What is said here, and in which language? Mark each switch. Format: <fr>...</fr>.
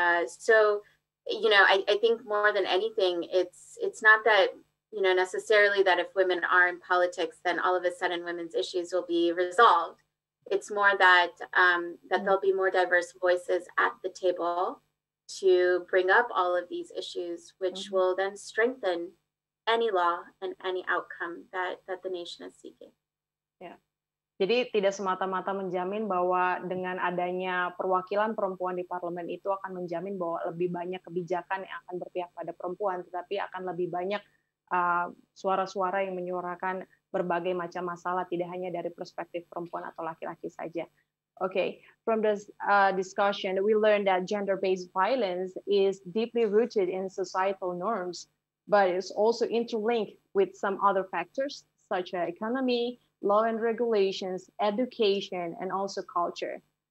<en>So, you know, I think more than anything, it's not that, you know, necessarily that if women are in politics, then all of a sudden women's issues will be resolved. It's more that that there'll be more diverse voices at the table to bring up all of these issues, which mm-hmm. will then strengthen any law and any outcome that the nation is seeking.</en> <id>Jadi tidak semata-mata menjamin bahwa dengan adanya perwakilan perempuan di parlemen itu akan menjamin bahwa lebih banyak kebijakan yang akan berpihak pada perempuan, tetapi akan lebih banyak suara-suara yang menyuarakan berbagai macam masalah, tidak hanya dari perspektif perempuan atau laki-laki saja.</id> <en>Okay, from this discussion, we learned that gender-based violence is deeply rooted in societal norms, but it's also interlinked with some other factors such as economy, law and regulations, education, and also culture.</en>